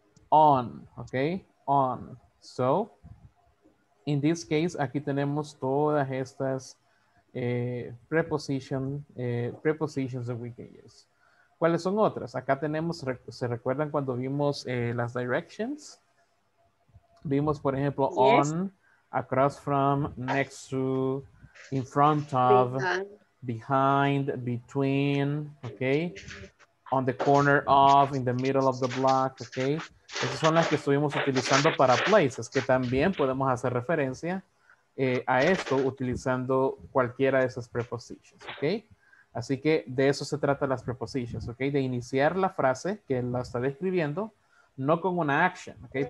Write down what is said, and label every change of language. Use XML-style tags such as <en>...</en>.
<en>On, okay, on. So, in this case,</en> <es>aquí tenemos todas estas</es> <en>prepositions that we can use.</en> <es>¿Cuáles son otras? Acá tenemos, ¿se recuerdan cuando vimos las directions? Vimos, por ejemplo, yes.</es> <en>On, across from, next to, in front of, behind, between, okay, on the corner of, in the middle of the block, okay.</en> <es>Esas son las que estuvimos utilizando para places, que también podemos hacer referencia a esto utilizando cualquiera de esas prepositions, ¿ok? Así que de eso se trata las prepositions, ¿ok? De iniciar la frase que la está describiendo, no con una action, ¿ok?</es>